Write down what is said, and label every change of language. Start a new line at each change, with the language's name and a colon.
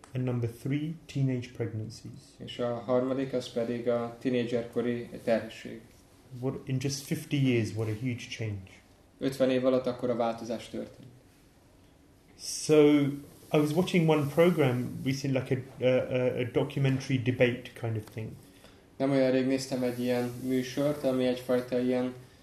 English: And number three, teenage pregnancies.
Hungarian: És a harmadik az pedig a tínédzserkori terhesség.
English: What, in just 50 years, what a huge change.
Hungarian: 50 év alatt akkor a változás történt.
English: So, I was watching one program recently, like a documentary debate kind of thing.
Hungarian: Nem olyan rég néztem egy ilyen műsort, ami egyfajta ilyen